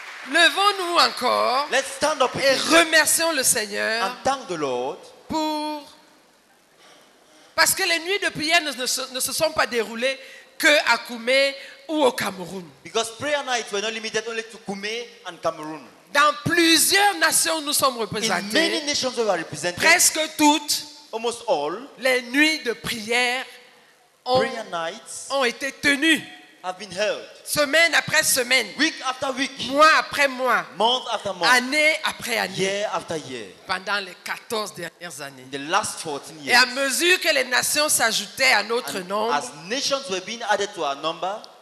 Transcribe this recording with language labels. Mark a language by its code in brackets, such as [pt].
[fr] Levons-nous encore. [en] Let's stand up [fr] et remercions le Seigneur. [en] And thank the Lord. [fr] Pour Parce que les nuits de prière ne se sont pas déroulées que à Koumé ou au Cameroun. [en] Because prayer nights were not limited only to Koumé and Cameroun. [fr] Dans plusieurs nations nous sommes représentés. [en] In many nations we were represented. [fr] Presque toutes, [en] almost all, [fr] les nuits de prière ont été tenues. [en] Have been held. [fr] Semaine après semaine. [en] Week after week. [fr] Mois après mois. [en] Month after month. [fr] Année après année. [en] Year after year. [fr] Pendant les 14 dernières années. [en] In the last 14 years. [fr] Et à mesure que les nations s'ajoutaient à notre nombre. [en] As nations were being added to our number.